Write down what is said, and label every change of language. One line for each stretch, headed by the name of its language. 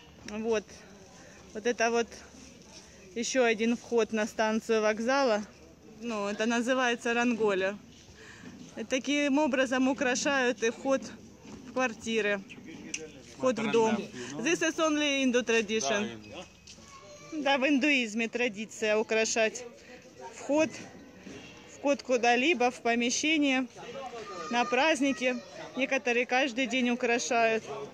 Russian: Вот. Вот это вот еще один вход на станцию вокзала. Ну, это называется Ранголя. Таким образом украшают и вход в квартиры. Вход в дом.
English: This is only Hindu tradition.
Russian: Да, в индуизме традиция украшать вход в куда-либо, в помещение. на праздники. Некоторые каждый день украшают.